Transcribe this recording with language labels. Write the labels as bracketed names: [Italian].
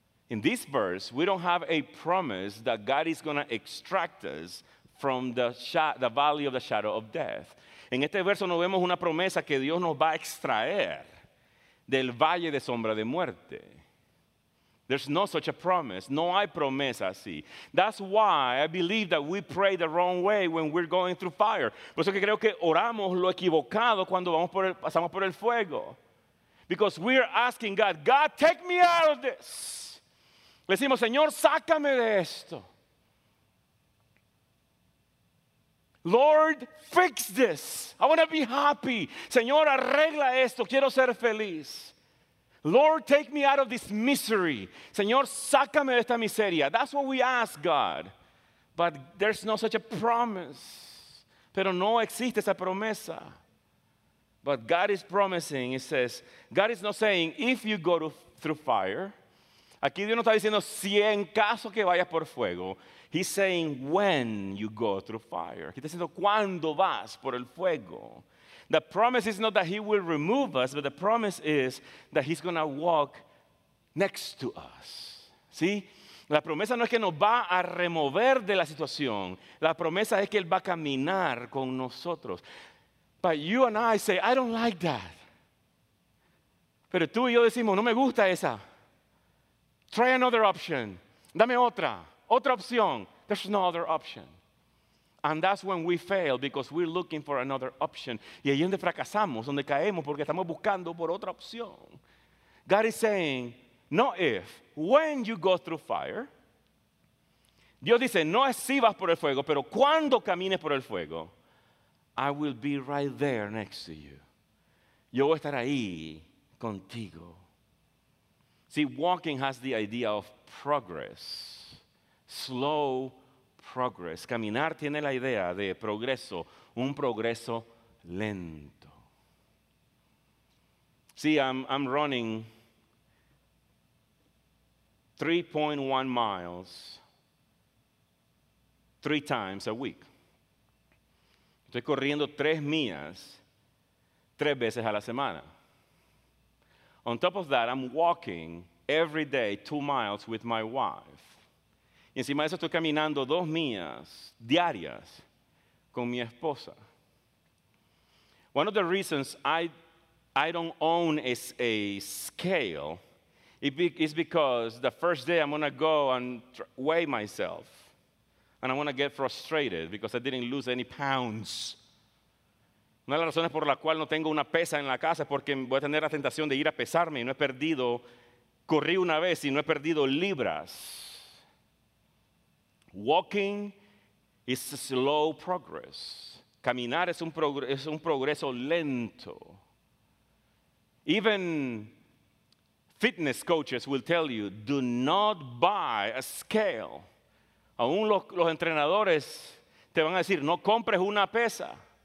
[English] In this verse, we don't have a promise that God is going to extract us from the valley of the shadow of death. [Spanish] En este verso no vemos una promesa que Dios nos va a extraer del valle de sombra de muerte. [English] There's no such a promise. [Spanish] No hay promesa así. [English] That's why I believe that we pray the wrong way when we're going through fire. [Spanish] Por eso que creo que oramos lo equivocado cuando pasamos por el fuego. [English] Because we're asking God, God, take me out of this. [Spanish] Le decimos, Señor, sácame de esto. [English] Lord, fix this. I want to be happy. [Spanish] Señor, arregla esto. Quiero ser feliz. [English] Lord, take me out of this misery. [Spanish] Señor, sácame de esta miseria. [English] That's what we ask God. But there's no such a promise. [Spanish] Pero no existe esa promesa. [English] But God is promising. He says, God is not saying, if you go through fire. [Spanish] Aquí Dios no está diciendo, si en caso que vayas por fuego. [English] He's saying, when you go through fire. [Spanish] Aquí está diciendo, cuando vas por el fuego. [English] The promise is not that he will remove us, but the promise is that he's going to walk next to us. [Spanish] ¿Sí? La promesa no es que nos va a remover de la situación. La promesa es que él va a caminar con nosotros. [English] But you and I say, I don't like that. [Spanish] Pero tú y yo decimos, no me gusta esa. [English] Try another option. [Spanish] Dame otra. Otra opción. [English] There's no other option. And that's when we fail, because we're looking for another option. [Spanish] Y ahí es donde fracasamos, donde caemos, porque estamos buscando por otra opción. [English] God is saying, not if, when you go through fire. [Spanish] Dios dice, no es si vas por el fuego, pero cuando camines por el fuego, [English] I will be right there next to you. [Spanish] Yo voy a estar ahí contigo. [English] See, walking has the idea of progress. Slow progress. [Spanish] Caminar tiene la idea de progreso, un progreso lento. [English] See, I'm running 3.1 miles three times a week. [Spanish] Estoy corriendo 3 millas tres veces a la semana. [English] On top of that, I'm walking every day 2 miles with my wife. [Spanish] Y encima de eso estoy caminando 2 millas diarias con mi esposa. [English] One of the reasons I don't own a scale is because the first day I'm going to go and weigh myself. And I want to get frustrated because I didn't lose any pounds. [Spanish] Una de las razones por la cual no tengo una pesa en la casa es porque voy a tener la tentación de ir a pesarme y no he perdido, corrí una vez y no he perdido libras. [English] Walking is a slow progress. [Spanish] Caminar es un progreso lento. [English] Even fitness coaches will tell you, do not buy a scale. [Spanish] Aún los entrenadores te van a decir, no compres una pesa.